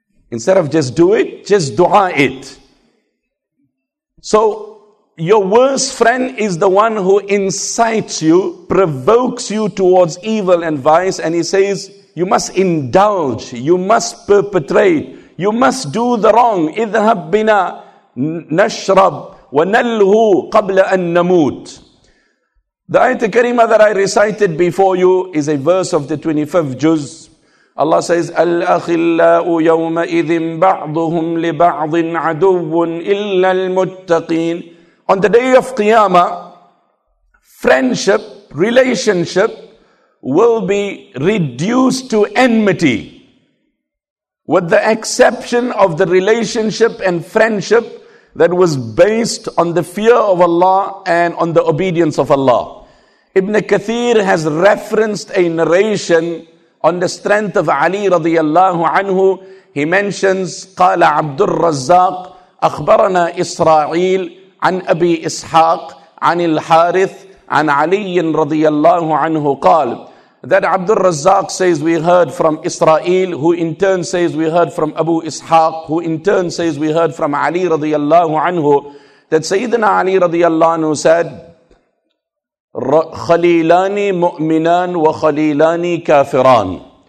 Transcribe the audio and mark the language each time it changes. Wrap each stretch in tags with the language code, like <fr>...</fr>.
<en>Instead of just do it, just dua it. So your worst friend is the one who incites you, provokes you towards evil and vice, and he says, you must indulge, you must perpetrate, you must do the wrong.</en> <ar>اِذْهَبْ بِنَا نَشْرَبْ وَنَلْهُ قَبْلَ أَن نَمُوتْ.</ar> <en>The ayat al-kareema that I recited before you is a verse of the 25th juz. Allah says,</en> <ar>أَلْأَخِلَّاءُ يَوْمَئِذٍ بَعْضُهُمْ لِبَعْضٍ عَدُوٌ إِلَّا الْمُتَّقِينَ.</ar> <en>On the day of Qiyamah, friendship, relationship will be reduced to enmity, with the exception of the relationship and friendship that was based on the fear of Allah and on the obedience of Allah. Ibn Kathir has referenced a narration on the strength of Ali radiallahu anhu. He mentions,</en> <ar>قَالَ عَبْدُ الرَّزَّاقِ أَخْبَرَنَا إِسْرَائِيلِ عن أبي إسحاق عن الحارث عن علي رضي الله عنه قال.</ar> <en>That Abdul Razzaq says we heard from Israel, who in turn says we heard from Abu Ishaq, who in turn says we heard from Ali رضي الله عنه, that Sayyidina Ali رضي الله عنه said,</en> <ar>خليلان مؤمنان وخليلان كافران.</ar>